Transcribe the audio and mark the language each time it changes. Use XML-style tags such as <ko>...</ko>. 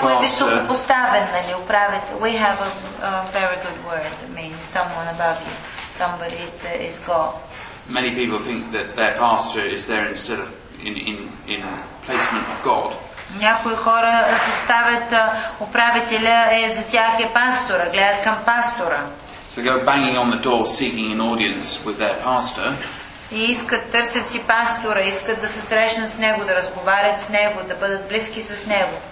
<bg>Това е високопоставен, нали, управител.</bg> <en>We have a very good word that means someone above you, somebody that is God. Many people think that their pastor is there instead of in placement of God.</en> <bg>Някои хора поставят управителя е за тях е пастора, гледат към пастора.</bg> <en>So go banging on the door, seeking an audience with their pastor.</en> <bg>И искат, търсят си пастора, искат да се срещнат с него, да разговарят с него, да бъдат близки с него.</bg>